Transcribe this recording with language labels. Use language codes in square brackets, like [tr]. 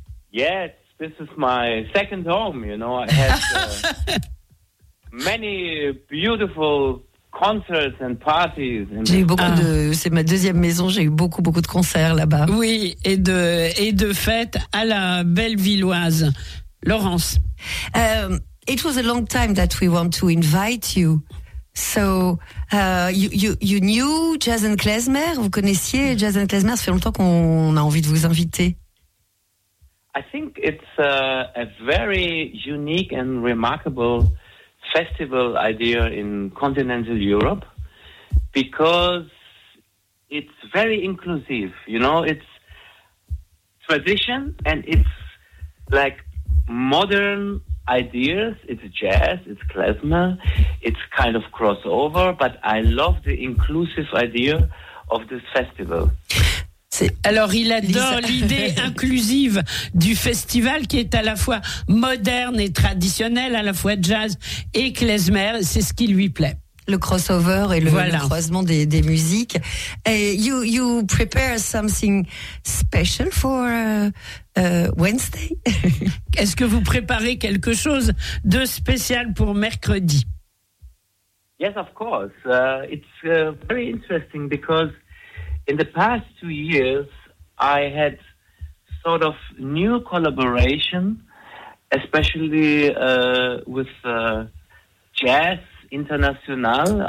[en] Yes, this is my second home, you know. I had many beautiful concerts and parties. [fr] J'ai eu beaucoup de, c'est ma deuxième maison, j'ai eu beaucoup, beaucoup de concerts là-bas. Oui, et de fêtes à la Bellevilloise. Laurence. [en] It was a long time that we want to invite you. So, you knew Jazz and Klezmer? [fr] Vous connaissiez Jazz and Klezmer? Ça fait longtemps qu'on a envie de vous inviter. [en] I think it's a very unique and remarkable festival idea in continental Europe, because it's very inclusive, you know, it's tradition and it's like modern ideas, it's jazz, it's klezmer, it's kind of crossover, but I love the inclusive idea of this festival. [fr] Alors, il adore l'idée inclusive du festival qui est à la fois moderne et traditionnelle, à la fois jazz et klezmer. C'est ce qui lui plaît. Le crossover et le croisement des musiques. Et [en] you prepare something special for Wednesday? [fr] Est-ce que vous préparez quelque chose de spécial pour mercredi? [en] Yes, of course. It's very interesting because in the past 2 years, I had sort of new collaboration, especially with Jazz International.